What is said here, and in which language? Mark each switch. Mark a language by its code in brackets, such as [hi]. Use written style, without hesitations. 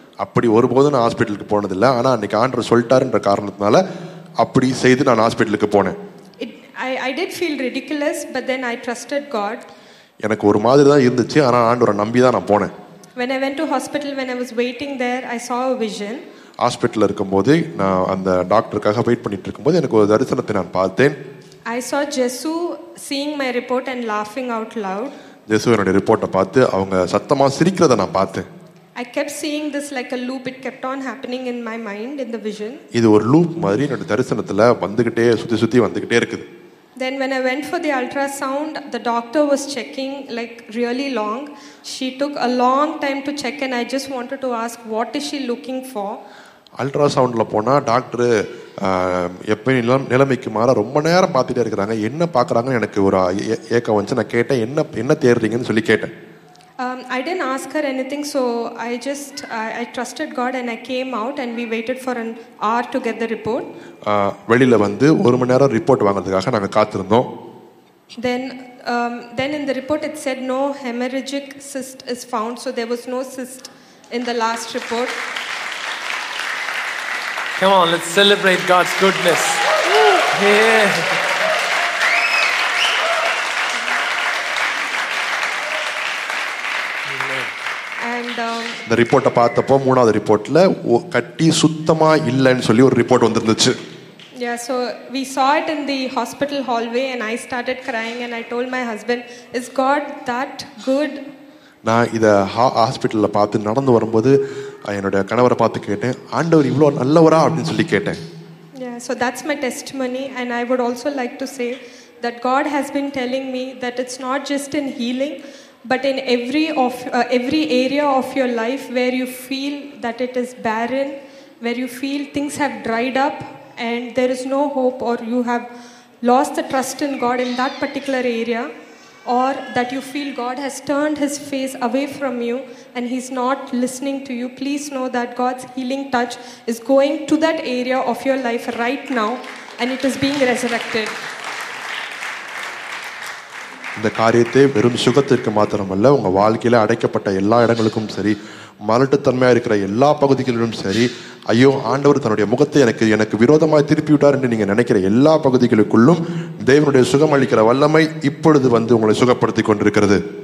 [ta] அப்படி ஒருபோதும் நான் ஹாஸ்பிட்டலுக்கு போனது இல்லை. ஆனா அன்னைக்கு ஆண்டவர் சொல்லிட்டாருன்ற காரணத்தினால அப்படி செய்து நான் ஹாஸ்பிட்டலுக்கு போனேன். [en] I did feel ridiculous, but then I trusted God. [ta] எனக்கு ஒரு மாதிரி தான் இருந்துச்சு, ஆனா ஆண்டவரை நம்பி தான் நான் போனேன். [en] When I went to hospital, when I was waiting there, I saw a vision. [ta] ஹாஸ்பிட்டலில் இருக்கும்போது நான் அந்த டாக்டருக்காக வெயிட் பண்ணிட்டு இருக்கும்போது எனக்கு ஒரு தரிசனத்தை நான் பார்த்தேன். [en] I saw Jesu seeing my report and laughing out loud. [ta] Jesu என்னோட ரிப்போர்ட்டை பார்த்து அவங்க சத்தமா சிரிக்கிறத நான் பார்த்தேன். [en] I kept seeing this like a loop, it kept on happening in my mind in the vision. [ta] இது ஒரு லூப் மாதிரி அந்த தரிசனத்துல வந்துகிட்டே சுத்தி சுத்தி வந்துகிட்டே இருக்குது. [en] Then when I went for the ultrasound, the doctor was checking like really long. She took a long time to check and I just wanted to ask, what is she looking for? [ta] அல்ட்ராசவுண்ட்ல போனா doctor எப்பயும் நிலைமைக்கு மாற ரொம்ப நேரம் பார்த்துட்டே இருக்கிறாங்க. என்ன பாக்குறாங்கன்னு எனக்கு ஒரு ஏக்கம் வந்து நான் கேட்டேன், என்ன என்ன தேடுறீங்கன்னு சொல்லி கேட்டேன். [en] I didn't ask her anything, so I just I trusted God and I came out and we waited for an hour to get the report. [ta] வெளியில வந்து ஒரு மணி நேரம் ரிப்போர்ட் வாங்குறதுக்காக நாங்க காத்துறோம். [en] Then in the report it said no hemorrhagic cyst is found, so there was no cyst in the last report. Come on, let's celebrate God's goodness. Yeah. [ta] அந்த ரிப்போர்ட்ட பார்த்தப்போ மூணாவது ரிப்போர்ட்ல கட்டி சுத்தமா இல்லன்னு சொல்லி ஒரு report வந்திருந்துச்சு. [en] Yeah, so we saw it in the hospital hallway and I started crying and I told my husband, is God that good? [ta] நான் இத ஹாஸ்பிடல்ல பார்த்து நடந்து வரும்போது என்னோட கணவரை பார்த்து கேட்டேன், ஆண்டவர் இவ்வளவு நல்லவரா அப்படினு சொல்லி கேட்டேன். [en] Yeah, so that's my testimony and I would also like to say that God has been telling me that it's not just in healing but in every area of your life where you feel that it is barren, where you feel things have dried up and there is no hope, or you have lost the trust in God in that particular area, or that you feel God has turned his face away from you and he's not listening to you, please know that God's healing touch is going to that area of your life right now and it is being resurrected. [ta] இந்த காரியத்தை வெறும் சுகத்திற்கு மாத்திரமல்ல, உங்க வாழ்க்கையில அடைக்கப்பட்ட எல்லா இடங்களுக்கும் சரி, மலட்டுத்தன்மையா இருக்கிற எல்லா பகுதிகளிலும் சரி, ஐயோ ஆண்டவர் தன்னுடைய முகத்தை எனக்கு விரோதமாய் திருப்பிவிட்டார் என்று நீங்க நினைக்கிற எல்லா பகுதிகளுக்குள்ளும் தேவனுடைய சுகம் அளிக்கிற வல்லமை இப்பொழுது வந்து உங்களை சுகப்படுத்தி கொண்டிருக்கிறது.